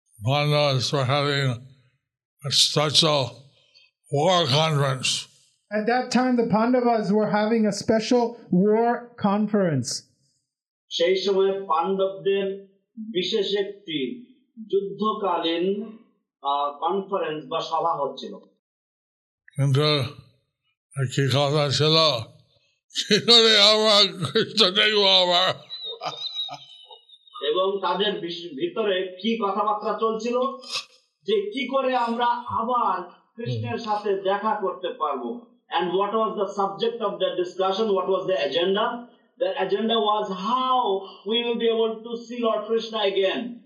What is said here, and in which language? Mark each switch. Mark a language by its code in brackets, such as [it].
[en] Pandavas were having a special war conference. At that time, the Pandavas were having a special war conference. [bn] সেই সময় পাণ্ডবদের বিশেষ একটি যুদ্ধকালীন conference বা সভা হচ্ছিল। কিন্তু কি কথা ছিল? কিভাবে আমরা কৃষ্ণ দেখবো আমরা? এবং তাদের ভিতরে কি কথাবার্তা চলছিল যে কি করে আমরা আবার কৃষ্ণের সাথে দেখা করতে পারবো? [en] And what was the subject of the discussion? What was the agenda? The agenda was how we will be able to see Lord Krishna again.